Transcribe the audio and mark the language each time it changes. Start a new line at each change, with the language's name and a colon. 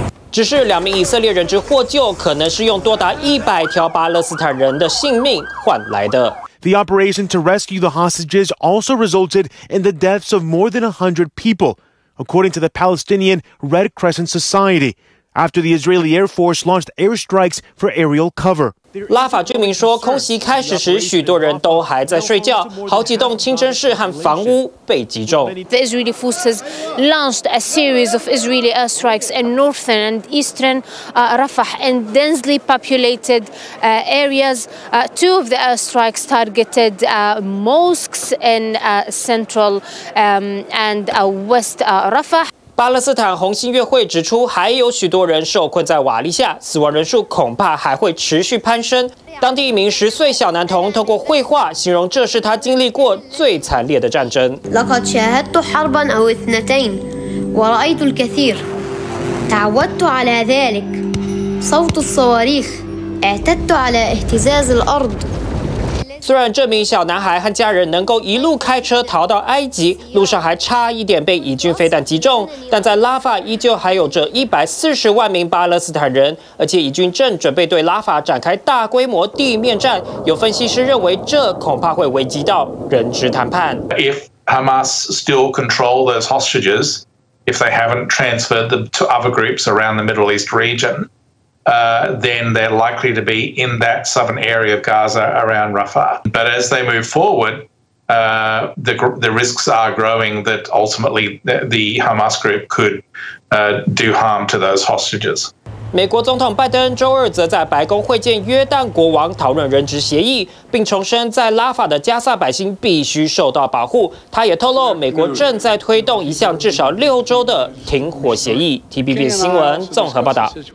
Chinese: 只是两名以色列人质获救，可能是用多达100条巴勒斯坦人的性命换来的。
English: The operation to rescue the hostages also resulted in the deaths of more than 100 people, according to the Palestinian Red Crescent Society, after the Israeli Air Force launched airstrikes for aerial cover.
Chinese: 拉法居民说，空袭开始时，许多人都还在睡觉，好几栋清真寺和房屋被击中。
English: The Israeli forces launched a series of Israeli airstrikes in northern and eastern Rafah and densely populated areas. Two of the airstrikes targeted mosques in central and west Rafah.
Chinese: 巴勒斯坦红新月会指出，还有许多人受困在瓦砾下，死亡人数恐怕还会持续攀升。当地一名10岁小男童透过绘画形容，这是他经历过最惨烈的战争。
Arabic: لقد شاهدت حربا أو اثنتين ورأيت الكثير تعودت على ذلك صوت الصواريخ اعتدت على اهتزاز الأرض.
Chinese: 虽然这名小男孩和家人能够一路开车逃到埃及，路上还差一点被以军飞弹击中，但在拉法依旧还有着140万名巴勒斯坦人，而且以军正准备对拉法展开大规模地面战。有分析师认为，这恐怕会危及到人质谈判。
English: If Hamas still control those hostages, if they haven't transferred them to other groups around the Middle East region. Then they're likely to be in that southern area of Gaza around Rafah. But as they move forward, the risks are growing that ultimately the Hamas group could do harm to those hostages.
Chinese: 美国总统拜登周二则在白宫会见约旦国王，讨论人质协议，并重申在拉法的加萨百姓必须受到保护。他也透露，美国正在推动一项至少六周的停火协议。 TVB 新闻综合报道。